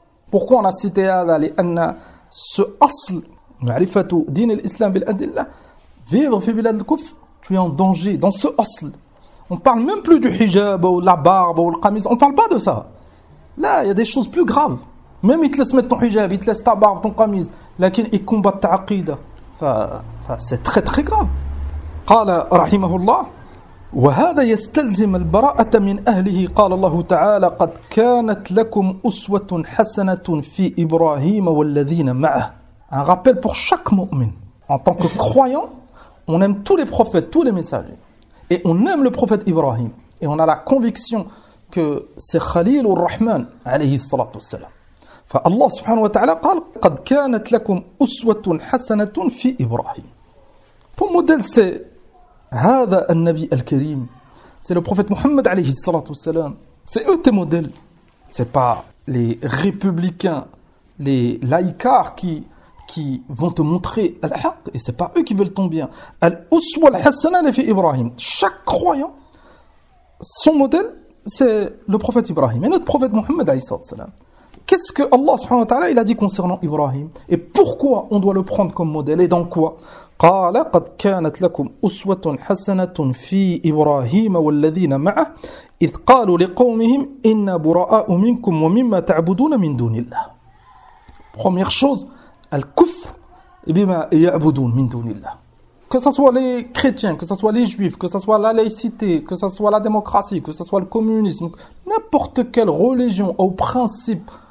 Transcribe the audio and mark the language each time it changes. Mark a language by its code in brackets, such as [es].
[fr] Pourquoi on a cité hada? Parce ce asl, [ar] ma'rifatu din al-islam bil-adillah, [fr] vivre [ar] fi bilad al-kuf, [fr] tu es en danger dans ce asl. On ne parle même plus du hijab ou la barbe ou le qamis. On ne parle pas de ça. Là, il y a des choses plus graves. Même ils te laissent mettre ton hijab, ils te laissent ta barbe, ton qamis. Lakin, ils combattent ta aqida. Enfin, c'est très très grave. [ar] Qala rahimahullah. وهذا يستلزم البراءة من أهله قال الله تعالى قد كانت لكم أسوة حسنة في إبراهيم والذين معه. [fr] Un rappel pour chaque mu'min. En tant que croyant, on aime tous les prophètes, tous les messagers. Et on aime le prophète Ibrahim. Et on a la conviction que c'est Khalil al-Rahman [ar] عليه الصلاة والسلام. فالله سبحانه وتعالى قال قد كانت لكم أسوة حسنة في إبراهيم. [fr] Ton modèle c'est [ar] هذا النبي الكريم. [fr] C'est le prophète Mohammed alayhi salatu wasalam. C'est eux tes modèles. C'est pas les républicains, les laïcars qui vont te montrer al-haq et c'est pas eux qui veulent ton bien. [ar] Al-uswa al-hasana li fi Ibrahim. [fr] Chaque croyant, son modèle, c'est le prophète Ibrahim et notre prophète Mohammed alayhi salatu wasalam. Qu'est-ce que Allah subhanahu wa ta'ala il a dit concernant Ibrahim et pourquoi on doit le prendre comme modèle et dans quoi? [ar] قال قد كانت لكم أسوة حسنة في إبراهيم والذين معه إذ قالوا لقومهم إن براء منكم ومما تعبدون من دون الله. [fr] Première chose, [ar] الكفر بما يعبدون من دون الله. [fr] Que ce soit les chrétiens, que ce soit les juifs, que ce soit la laïcité, que ce soit la démocratie, que ce soit le communisme, n'importe quelle religion ou principe